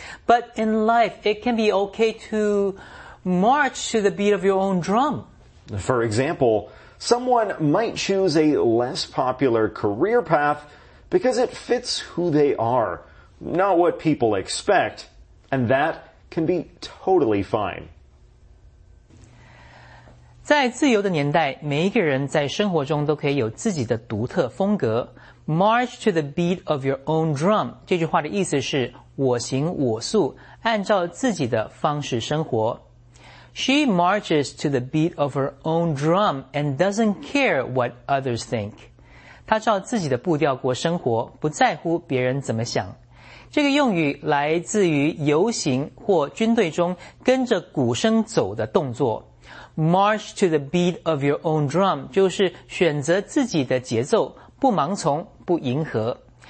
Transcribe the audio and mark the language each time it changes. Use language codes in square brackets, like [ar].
[en] But in life, it can be okay to march to the beat of your own drum. For example, someone might choose a less popular career path because it fits who they are, not what people expect, and that can be totally fine. [zh] 在自由的年代，每一个人在生活中都可以有自己的独特风格。 [en] March to the beat of your own drum， [zh] 这句话的意思是我行我素，按照自己的方式生活。 [en] She marches to the beat of her own drum and doesn't care what others think. [zh] 她照自己的步调过生活，不在乎别人怎么想。这个用语来自于游行或军队中跟着鼓声走的动作。 [en] March to the beat of your own drum [zh] 就是选择自己的节奏，不盲从，不迎合。